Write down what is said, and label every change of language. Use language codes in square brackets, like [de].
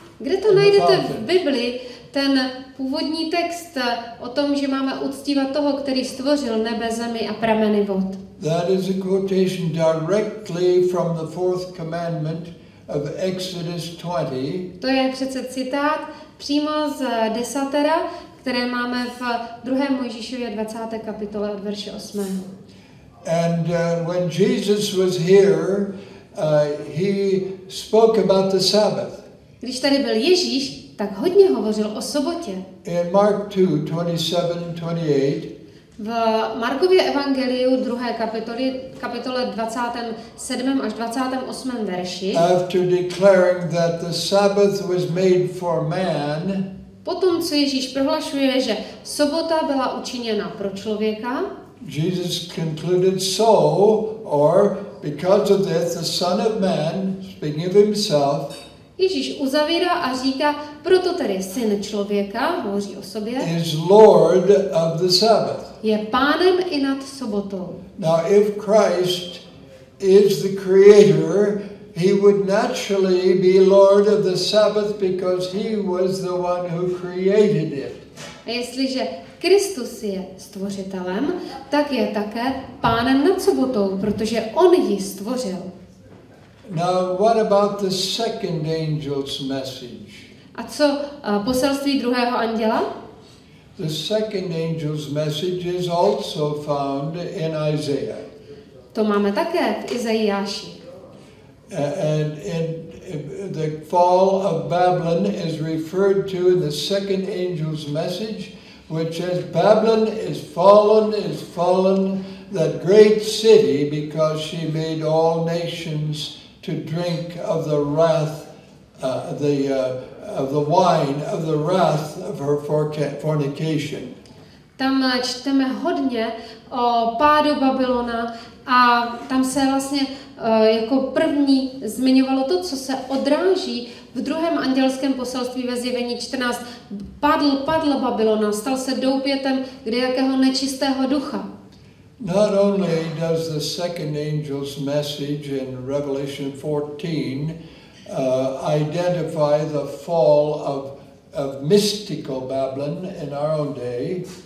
[cs] Kde to najdete v Biblii, ten původní text o tom, že máme uctívat toho, který stvořil nebe, zemi a prameny vod? [en] That is a quotation directly from the fourth commandment of Exodus 20. [cs] To je přece citát přímo z desatera, které máme v 2. Mojžíšově 20. kapitole od verše 8. [en] And when Jesus was here, he spoke about the Sabbath. [cs] Když tady byl Ježíš, tak hodně hovořil o sobotě. [en] In Mark 2:27-28. [cs] V Markově evangeliu 2. kapitole 27. až 28. verši. [en] After declaring that the Sabbath was made for man. [cs] Potom co Ježíš prohlašuje, že sobota byla učiněna pro člověka. [en] Jesus concluded so, or because of this, the Son of Man, speaking of himself. [cs] Ježíš uzavírá a říká, proto tedy Syn člověka, hovoří o sobě, [en] is Lord of the Sabbath. [cs] Je pánem i nad sobotou. [en] Now if Christ is the Creator, he would naturally be Lord of the Sabbath because he was the one who created it. [cs] A jestliže Kristus je stvořitelem, tak je také pánem nad sobotou, protože on ji stvořil. [en] Now what about the second angel's message? [cs] A co poselství druhého anděla? [en] The second angel's message is also found in Isaiah. [cs] To máme také v Izajáši. [en] And the fall of Babylon is referred to in the second angel's message, which is Babylon is fallen, that great city, because she made all nations to drink of the wrath, of the wine of the wrath of her fornication. [cs] Tam čteme hodně o pádu Babylona a tam se vlastně jako první zmiňovalo to, co se odráží v druhém andělském poselství ve zjevení 14. Padl Babylona, stal se doupětem kdejakého nečistého ducha. [en] Not only does the second angel's message in Revelation 14 identify the fall of mystical Babylon in our own day.